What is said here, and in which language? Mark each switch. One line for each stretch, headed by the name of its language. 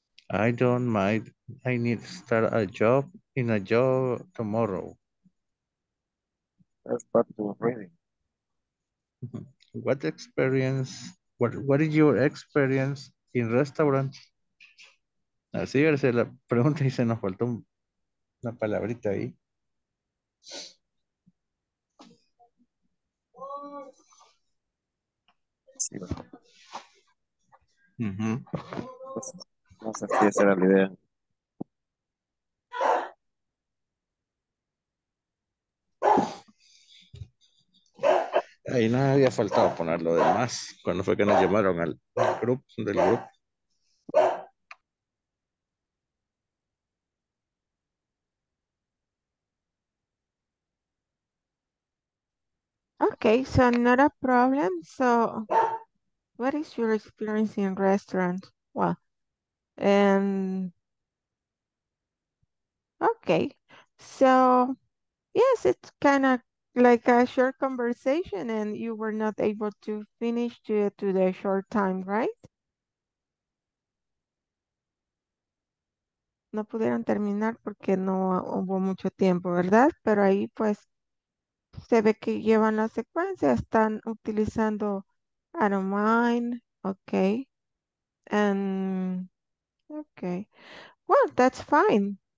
English: I don't mind. I need to start a job in a job tomorrow. Let's start to reading. What experience, what is your experience in restaurants?
Spanish: Así era la pregunta y se nos faltó una palabrita ahí. Sí, bueno. Uh-huh. No sé si esa era la idea. Ahí nada había faltado poner lo demás. Cuando fue que nos llamaron al grupo del grupo.
English: Okay, so not a problem. So what is your experience in restaurant? Well, okay. So yes, it's kind of like a short conversation and you were not able to finish due to the short time, right?
Spanish: No pudieron terminar porque no hubo mucho tiempo, ¿verdad? Pero ahí pues se ve que llevan la secuencia, están utilizando
English: I don't mind, okay. And okay. Well, that's fine.